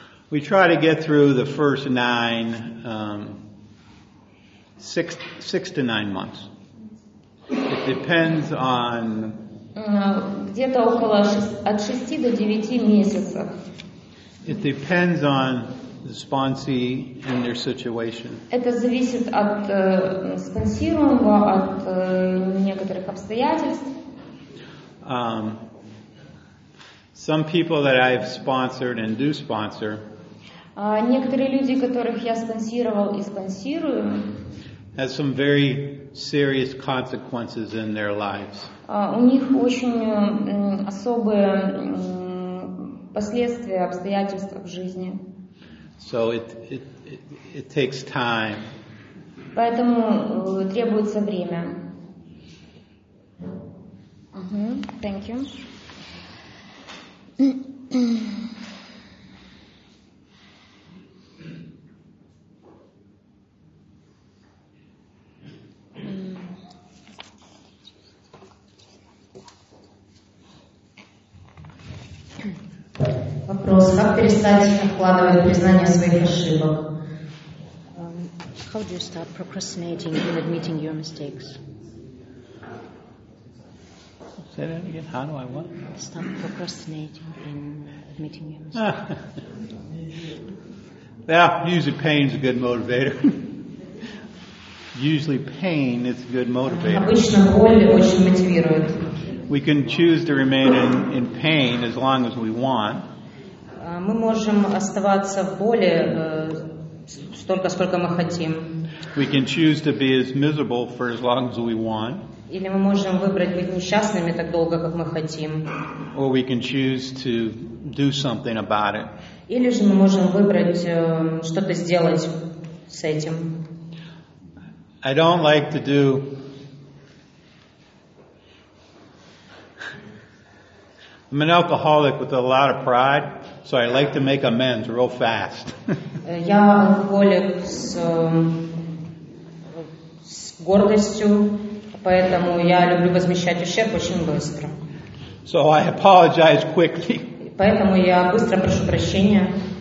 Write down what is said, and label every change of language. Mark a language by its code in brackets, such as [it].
[en] We try to get through the first 9, 6 to 9 months. It depends on. [ru] Где-то около от 6 до 9 месяцев. [en] It depends on the sponsee and their situation. [ru] Это зависит от спонсируемого, от некоторых обстоятельств. [en] Some people that I've sponsored and do sponsor. [ru] Некоторые люди, которых я спонсировал и спонсирую, [en] have some very serious consequences in their lives. [ru] У них очень особые последствия, обстоятельства в жизни. [en] So it takes time. [ru] Поэтому требуется время. [en] Thank you. Thank you. [ru] перестать откладывать признание своих ошибок? [en] How do you start procrastinating in admitting your mistakes? Say that again. How do I what? Start procrastinating in admitting your mistakes. Yeah, usually pain is a good motivator. Usually pain is a good motivator. [ru] Обычно боль очень мотивирует. [en] We can choose to remain in pain as long as we want. [ru] Мы можем оставаться в боли столько, сколько мы хотим. [en] We can choose to be as miserable for as long as we want. [ru] Или мы можем выбрать быть несчастными так долго, как мы хотим. [en] Or we can choose to do something about it. [ru] Или же мы можем выбрать что-то сделать с этим. [en] I don't like to do I'm an alcoholic with a lot of pride, so I like to make amends real fast. [ru] Я алкоголик с гордостью, поэтому я люблю возмещать ущерб очень быстро. [en] So I apologize quickly. [ru] Поэтому я быстро прошу прощения.